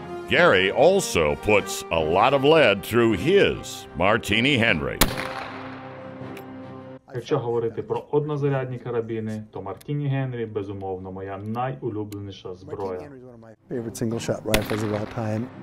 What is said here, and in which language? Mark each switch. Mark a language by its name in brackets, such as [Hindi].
[English] Gary also puts a lot of lead through his Martini Henry. [Ukrainian] Якщо говорити про однозарядні карабіни, то Мартіні Генрі, безумовно, моя найулюбленіша зброя. [English] Favorite single shot rifles of all time.